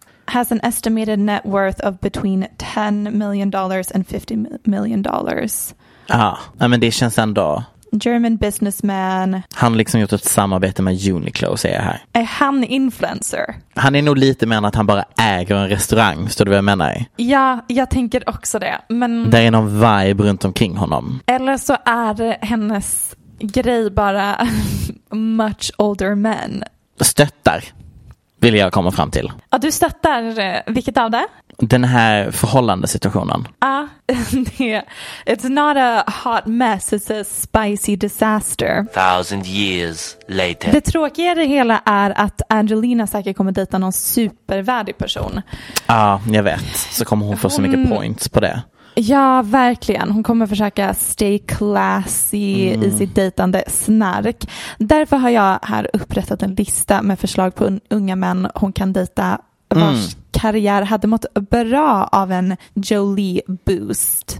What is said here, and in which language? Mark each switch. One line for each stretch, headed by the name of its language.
English: Has an estimated net worth of between $10 million and $50 million.
Swedish: Ja, men det känns ändå...
English: German businessman.
Swedish: Han liksom gjort ett samarbete med Uniqlo, säger jag här. Är han influencer? Han är nog lite mer än att han bara äger en restaurang, står du vad jag menar? Ja, jag tänker också det. Men... Det är någon vibe runt omkring honom. Eller så är hennes grej bara
English: much older men.
Swedish: Stöttar, vill jag komma fram till. Ja, du stöttar vilket av det? Den här förhållandesituationen. Ja,
English: it's not a hot mess, it's a spicy disaster. 1000 years later.
Swedish: Det tråkiga i det hela är att Angelina säkert kommer dejta någon supervärdig person. Ja, jag vet. Så kommer hon få så mycket points på det. Ja, verkligen. Hon kommer försöka
English: stay classy
Swedish: i sitt dejtande snark. Därför har jag här upprättat en lista med förslag på unga män hon kan dejta vars karriär hade mått bra av en Jolie boost.